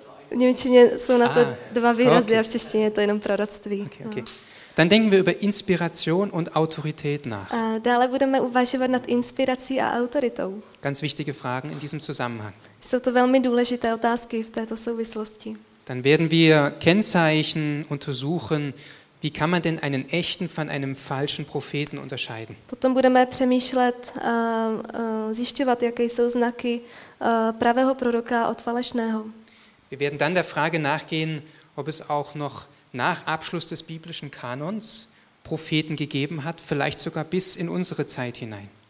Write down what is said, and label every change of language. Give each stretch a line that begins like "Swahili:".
Czech: V němčině jsou na to dva výrazy a v češtině je to jenom proroctví.
German: Dann denken wir über Inspiration und Autorität nach.
Czech: Dále budeme uvažovat nad inspirací a autoritou.
German: Ganz wichtige Fragen in diesem Zusammenhang.
Czech: Jsou to velmi důležité otázky v této souvislosti.
German: Dann werden wir Kennzeichen untersuchen, Wie kann man denn einen echten von einem falschen Propheten unterscheiden?
Czech: Potom budeme přemýšlet, zjišťovat, jaké jsou znaky pravého proroka od falešného.
German: Wir werden dann der Frage nachgehen, ob es auch noch nach Abschluss des biblischen Kanons Propheten gegeben hat, vielleicht sogar bis in unsere Zeit hinein.